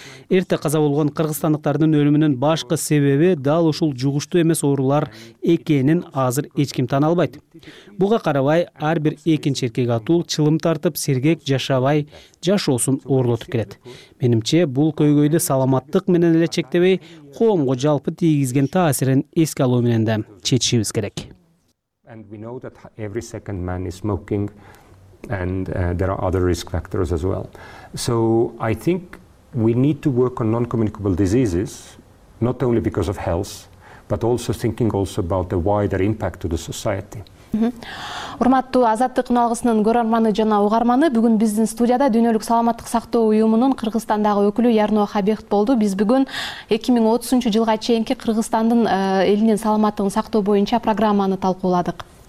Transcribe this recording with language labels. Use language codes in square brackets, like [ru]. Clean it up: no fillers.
[ky] Эрте каза болгон кыргызстандыктардын өлүмүнүн башкы себеби дал ушул жугуштуу эмес оорулар экенин азыр эч ким тана албайт. Буга карабай, ар бир экинчи эркек атуул чылым тартып, сергек жашабай жашоосун оорлотуп келет. Менимче, бул көйгөйдү саламаттык менен эле чектебей, коомго жалпы тийгизген таасирин эске алуу менен да чечишибиз керек. [en] And we know that every second man is smoking and there are other risk factors as well. So I think we need to work on non-communicable diseases, not only because of health, but also thinking also about the wider impact to the society. [ky] Урматтуу Азаттык Уналгысынын көрөрманы жана угарманы, бүгүн биздин студияда дүйнөлүк саламаттык сактоо уюмунун Кыргызстандагы өкүлү Ярноо Хабиевт болду. Биз бүгүн 2030 жылга чейинки Кыргызстандын элинин саламаттыгын сактоо боюнча программаны талкууладык.